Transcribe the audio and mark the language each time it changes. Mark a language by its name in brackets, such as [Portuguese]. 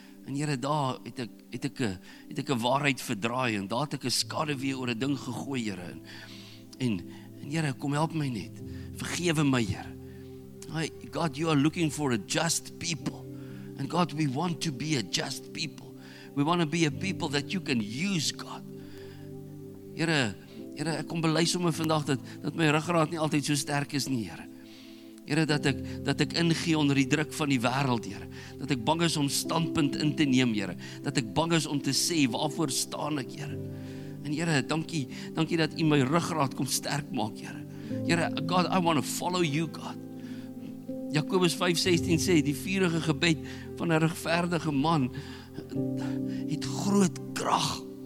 [Afrikaans] En Here, daar het ek 'n waarheid verdraai en daar het ek 'n skaduwee oor 'n ding gegooi, Here. En Here, kom help my net. Vergewe my, Here. [English] God, You are looking for a just people. And God, we want to be a just people. We want to be a people that You can use, God. [Afrikaans] Here, ek kom bely sommer vandag dat my ruggraat nie altyd so sterk is nie, Here. Here, dat ek ingee onder die druk van die wêreld, Here. Dat ek bang is om standpunt in te neem, Here. Dat ek bang is om te sê, waarvoor staan ek, Here? En Here, dankie dat U my ruggraat kom sterk maak, Here. [English] Here, God, I want to follow You, God. [Afrikaans] Jakobus 5:16 sê, die vurige gebed van 'n regverdige man het groot krag.